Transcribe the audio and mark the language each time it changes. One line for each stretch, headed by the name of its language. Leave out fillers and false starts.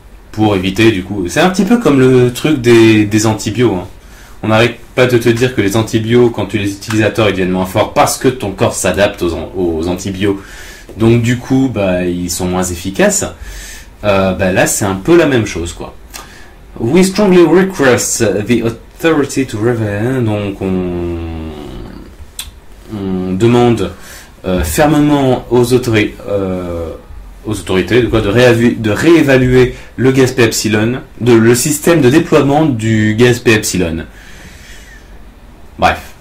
French: Pour éviter, du coup, c'est un petit peu comme le truc des antibios. Hein. On n'arrête pas de te dire que les antibios, quand tu les utilises à tort, ils deviennent moins forts parce que ton corps s'adapte aux antibios. Donc du coup, bah, ils sont moins efficaces. Là, c'est un peu la même chose, quoi.
English: We strongly request the authority to reveal.
French: Donc, on demande fermement aux autorités de réévaluer le GASP Epsilon, le système de déploiement du GASP Epsilon. Bref.